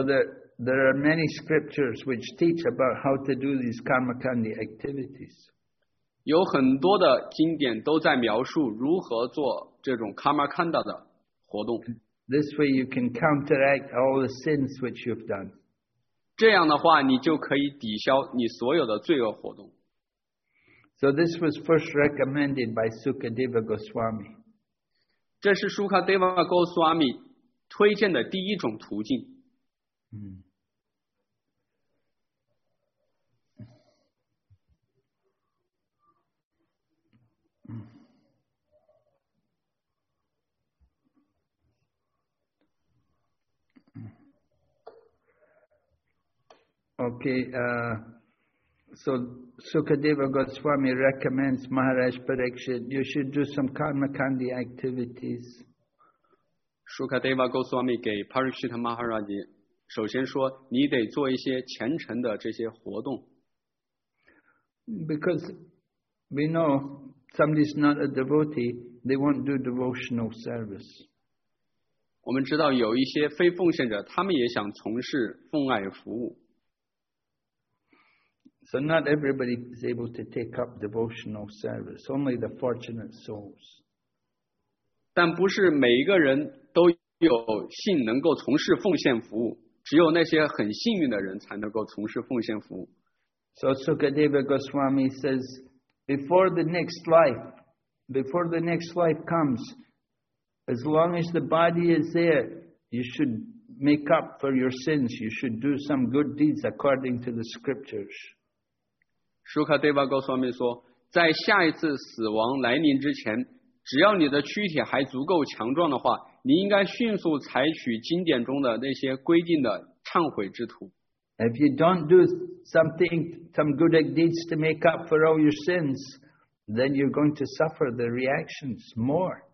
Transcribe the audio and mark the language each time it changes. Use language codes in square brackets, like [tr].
[en] So there are many scriptures which teach about how to do these karma kanda activities. [zh] 有很多的经典都在描述如何做这种 karma kanda 的活动。 [en] This way you can counteract all the sins which you've done. [zh] 这样的话你就可以抵消你所有的罪恶活动。 [en] So this was first recommended by Sukadeva Goswami. [zh] 这是 Sukadeva Goswami 推荐的第一种途径。 [en] Okay, so Sukadeva Goswami recommends Maharaj Parikshit, you should do some karma kandi activities. [zh] Sukadeva Goswami 给 Parikshit Maharaj 首先说你得做一些虔诚的这些活动。 [en] Because we know somebody's not a devotee, they won't do devotional service. [zh] 我们知道有一些非奉献者，他们也想从事奉爱服务。 [en] So not everybody is able to take up devotional service, only the fortunate souls. [zh] 但不是每一个人都有幸能够从事奉献服务，只有那些很幸运的人才能够从事奉献服务。 [en] So Sukadeva Goswami says, before the next life comes, as long as the body is there, you should make up for your sins, you should do some good deeds according to the scriptures. [zh] 舒卡德巴告诉我们说，在下一次死亡来临之前，只要你的躯体还足够强壮的话，你应该迅速采取经典中的那些规定的忏悔之徒。 [en] If you don't do something, some good deeds to make up for all your sins, then you're going to suffer the reactions more.